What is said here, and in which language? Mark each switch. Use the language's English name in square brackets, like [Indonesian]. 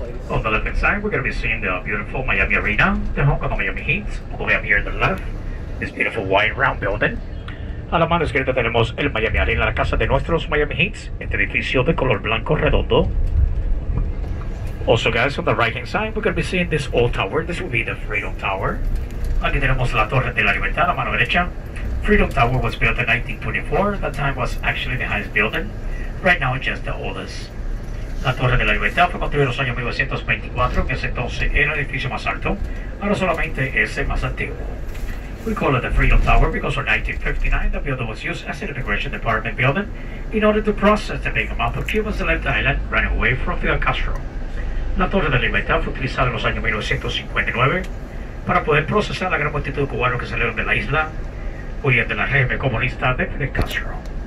[English] On the left hand side, we're going to be seeing the beautiful Miami Arena, the home of the Miami Heat, all the way up here on the left, this beautiful white round building. [Spanish] A la mano izquierda tenemos el Miami Arena, la casa de nuestros Miami Heat, este edificio de color blanco redondo. [English] Also guys, on the right hand side, we're going to be seeing this old tower, this will be the Freedom Tower. [Spanish] Aquí tenemos la Torre de la Libertad, a la mano derecha. [English] Freedom Tower was built in 1924, that time was actually the highest building, right now just the oldest. [Spanish] La Torre de la Libertad fue construida en los años 1924, que ese entonces era el edificio más alto, ahora solamente es el más antiguo. [English] We call it the Freedom Tower because in 1959 the building was used as an immigration department building in order to process the big amount of Cubans that left the island running away from Fidel Castro. [Spanish] La Torre de la Libertad fue utilizada en los años 1959 para poder procesar la gran multitud de cubanos que salieron de la isla huyendo del régimen comunista de Fidel Castro.